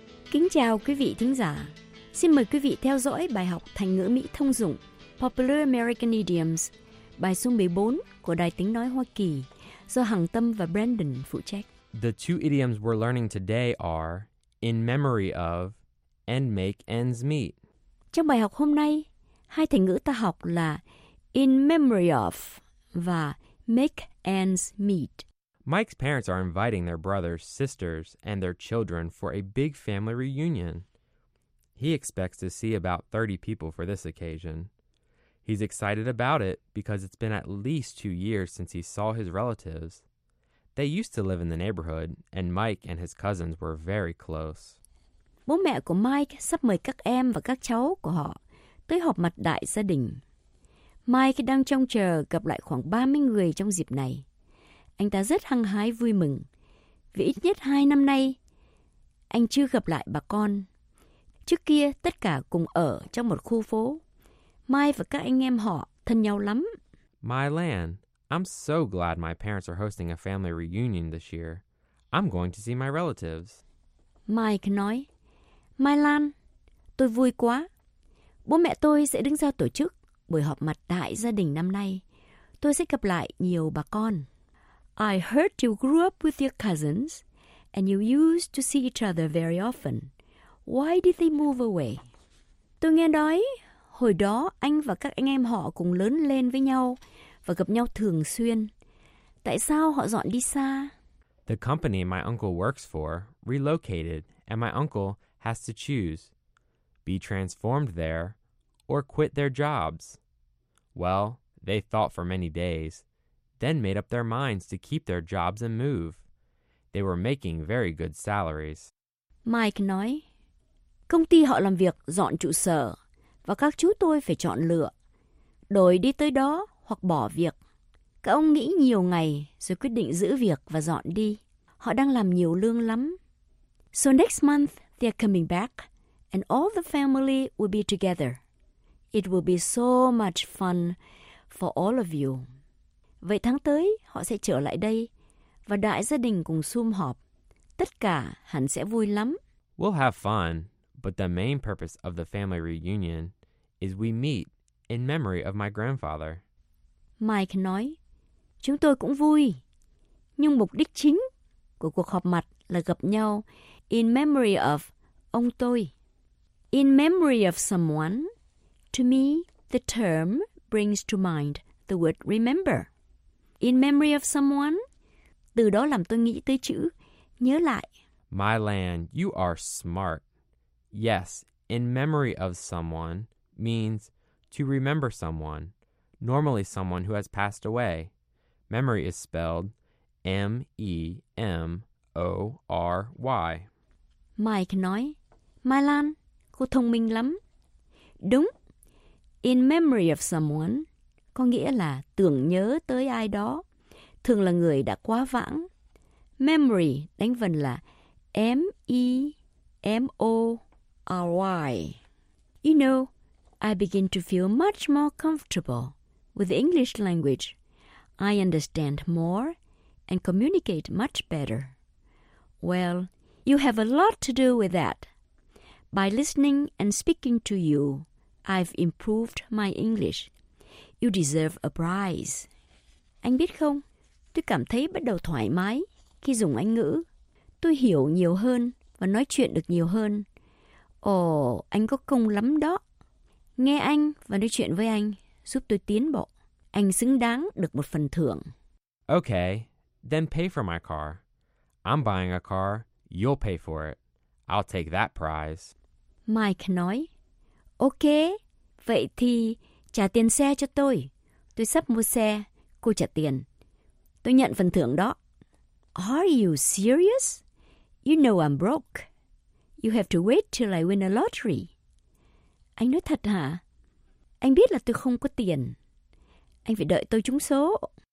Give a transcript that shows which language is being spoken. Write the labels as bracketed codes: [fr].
[vi] Kính chào quý vị thính giả. Xin mời quý vị theo dõi bài học thành ngữ Mỹ thông dụng Popular American Idioms, bài số 14 của Đài Tiếng Nói Hoa Kỳ, do Hằng Tâm và Brandon phụ trách. [en] The two idioms we're learning today are in memory of and make ends meet. [vi] Trong bài học hôm nay, hai thành ngữ ta học là [en] in memory of [vi] và [en] make ends meet. Mike's parents are inviting their brothers, sisters, and their children for a big family reunion. He expects to see about 30 people for this occasion. He's excited about it because it's been at least 2 years since he saw his relatives. They used to live in the neighborhood, and Mike and his cousins were very close. [vi] Bố mẹ của Mike sắp mời các em và các cháu của họ tới họp mặt đại gia đình. Mike đang trông chờ gặp lại khoảng 30 người trong dịp này. Anh ta rất hăng hái vui mừng, vì ít nhất 2 năm nay, anh chưa gặp lại bà con. Trước kia, tất cả cùng ở trong một khu phố. Mike và các anh em họ thân nhau lắm. [en] My land, I'm so glad my parents are hosting a family reunion this year. I'm going to see my relatives. [vi] Mike nói, My land, tôi vui quá. Bố mẹ tôi sẽ đứng ra tổ chức buổi họp mặt đại gia đình năm nay. Tôi sẽ gặp lại nhiều bà con. [en] I heard you grew up with your cousins and you used to see each other very often. Why did they move away? [vi] Tôi nghe nói, hồi đó anh và các anh em họ cùng lớn lên với nhau và gặp nhau thường xuyên. Tại sao họ dọn đi xa? [en] The company my uncle works for relocated and my uncle has to choose. Be transformed there or quit their jobs. Well, they thought for many days, then made up their minds to keep their jobs and move. They were making very good salaries. [vi] Mike nói, Công ty họ làm việc dọn trụ sở và các chú tôi phải chọn lựa, đổi đi tới đó hoặc bỏ việc. Các ông nghĩ nhiều ngày rồi quyết định giữ việc và dọn đi. Họ đang làm nhiều lương lắm. [en] So next month they're coming back and all the family will be together. It will be so much fun for all of you. [vi] Vậy tháng tới họ sẽ trở lại đây và đại gia đình cùng sum họp. Tất cả hẳn sẽ vui lắm. [en] We'll have fun. But the main purpose of the family reunion is we meet in memory of my grandfather. [vi] Mike nói, chúng tôi cũng vui. Nhưng mục đích chính của cuộc họp mặt là gặp nhau [en] in memory of [vi] ông tôi. [en] In memory of someone, to me, the term brings to mind the word remember. In memory of someone, [vi] từ đó làm tôi nghĩ tới chữ nhớ lại. [en] My Lan, you are smart. Yes, in memory of someone means to remember someone, normally someone who has passed away. Memory is spelled M-E-M-O-R-Y. [vi] Mike nói, My Lan, cô thông minh lắm. Đúng, [en] in memory of someone [vi] có nghĩa là tưởng nhớ tới ai đó, thường là người đã quá vãng. Memory đánh vần là M-E-M-O-R-Y. [en] You know, I begin to feel much more comfortable with the English language. I understand more and communicate much better. Well, you have a lot to do with that. By listening and speaking to you, I've improved my English. You deserve a prize. [vi] Anh biết không, tôi cảm thấy bắt đầu thoải mái khi dùng Anh ngữ. Tôi hiểu nhiều hơn và nói chuyện được nhiều hơn. Ồ, anh có công lắm đó. Nghe anh và nói chuyện với anh giúp tôi tiến bộ. Anh xứng đáng được một phần thưởng. [en] Okay, then pay for my car. I'm buying a car, you'll pay for it. I'll take that prize. [vi] Mike nói, okay, vậy thì trả tiền xe cho tôi. Tôi sắp mua xe, cô trả tiền. Tôi nhận phần thưởng đó. [en] Are you serious? You know I'm broke. You have to wait till I win a lottery. [vi] Anh nói thật hả? Anh biết là tôi không có tiền. Anh phải đợi tôi trúng số.